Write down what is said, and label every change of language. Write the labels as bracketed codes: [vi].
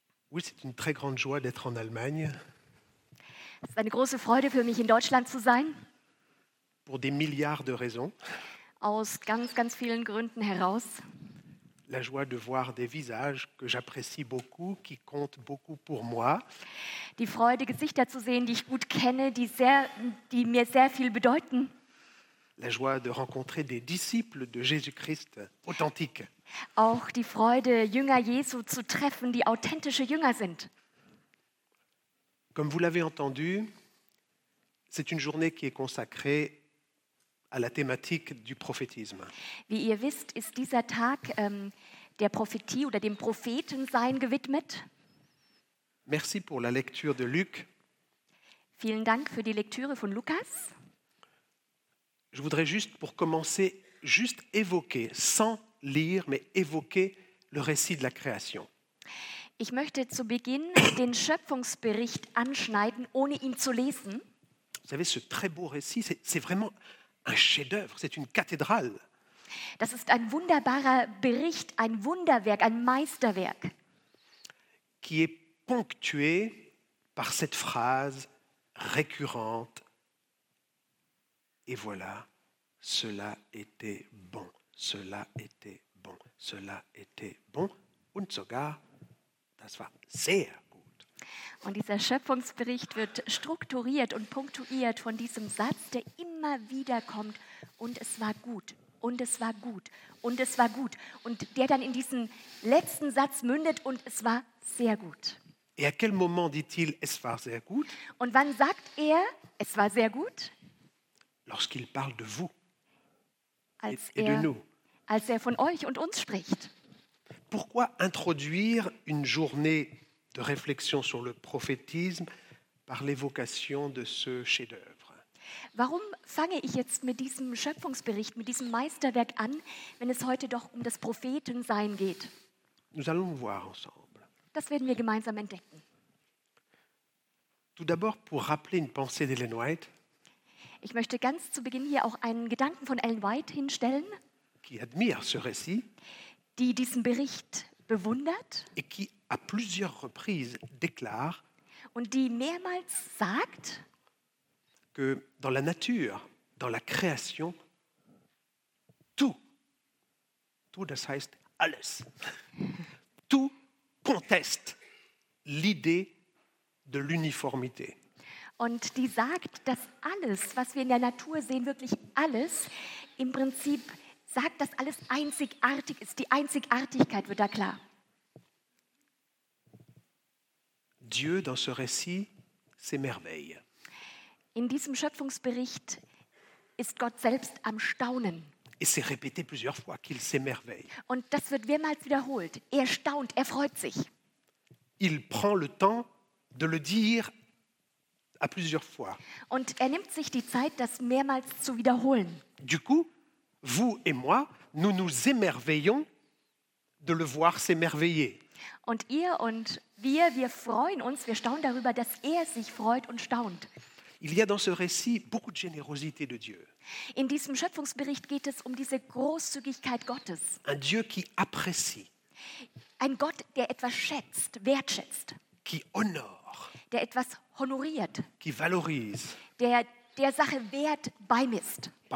[fr] Oui, c'est une très grande joie d'être en Allemagne. [de] Es ist eine große Freude für mich, in Deutschland zu sein. [fr] Pour des milliards de raisons. [de] Aus ganz, ganz vielen Gründen heraus. [fr] La joie de voir des visages que j'apprécie beaucoup, qui comptent beaucoup pour moi. [de] Die Freude, Gesichter zu sehen, die ich gut kenne, die mir sehr viel bedeuten. [fr] La joie de rencontrer des disciples de Jésus-Christ authentiques. [de] Auch die Freude, Jünger Jesu zu treffen, die authentische Jünger sind. [fr] Comme vous l'avez entendu, c'est une journée qui est consacrée à la thématique du prophétisme. [de] Wie ihr wisst, ist dieser Tag der Prophetie oder dem Prophetensein gewidmet. [fr] Merci pour la lecture de Luc. [de] Vielen Dank für die Lektüre von Lukas. [fr] Je voudrais juste pour commencer juste évoquer sans lire mais évoquer le récit de la création. [de] Ich möchte zu Beginn den Schöpfungsbericht anschneiden, ohne ihn zu lesen. [fr] Vous savez, ce très beau récit, c'est vraiment un chef-d'œuvre, c'est une cathédrale. [de] Das ist ein wunderbarer Bericht, ein Wunderwerk, ein Meisterwerk. [fr] Qui est ponctué par cette phrase récurrente. Et voilà, cela était bon, cela était bon, cela était bon. [de] Und sogar, das war sehr gut. Und dieser Schöpfungsbericht wird strukturiert und punktuiert von diesem Satz, der immer wieder kommt. Und es war gut, und es war gut, und es war gut. Und der dann in diesen letzten Satz mündet, und es war sehr gut. [fr] Et à quel moment dit-il, [de] es war sehr gut? Und wann sagt er, es war sehr gut? [fr] Lorsqu'il parle de vous als et de nous. [de] Als er von euch und uns spricht. [fr] Pourquoi introduire une journée de réflexion sur le prophétisme par l'évocation de ce chef-d'œuvre? [de] Warum fange ich jetzt mit diesem Schöpfungsbericht, mit diesem Meisterwerk an, wenn es heute doch um das Prophetensein geht? [fr] Nous allons voir ensemble. [de] Das werden wir gemeinsam entdecken. [fr] Tout d'abord, pour rappeler une pensée d'Ellen White. [de] Ich möchte ganz zu Beginn hier auch einen Gedanken von Ellen White hinstellen, [fr] qui admire ce récit, [de] die diesen Bericht bewundert [fr] et qui à plusieurs reprises déclare, [de] und die mehrmals sagt, [fr] que dans la nature, dans la création, tout, tout [de] das heißt alles, [fr] tout conteste l'idée de l'uniformité. [de] Und die sagt, dass alles, was wir in der Natur sehen, wirklich alles, im Prinzip sagt, dass alles einzigartig ist. Die Einzigartigkeit wird da klar. [fr] Dieu dans ce récit, c'est merveille. [de] In diesem Schöpfungsbericht ist Gott selbst am Staunen. [fr] Et c'est répété plusieurs fois qu'il s'émerveille. [de] Und das wird mehrmals wiederholt. Er staunt, er freut sich. [fr] Il prend le temps de le dire à plusieurs fois. [de] Und er nimmt sich die Zeit, das mehrmals zu wiederholen. [fr] Du coup, vous et moi, nous nous émerveillons de le voir s'émerveiller. [de] Und ihr und wir, wir freuen uns, wir staunen darüber, dass er sich freut und staunt. [fr] Il y a dans ce récit beaucoup de générosité de Dieu. [de] In diesem Schöpfungsbericht geht es um diese Großzügigkeit Gottes. [fr] Un Dieu qui apprécie. [de] Ein Gott, der etwas schätzt, wertschätzt. [fr] Qui honore. [de] Der etwas honoriert. [fr] Qui valorise. [de] Der der Sache Wert beimisst.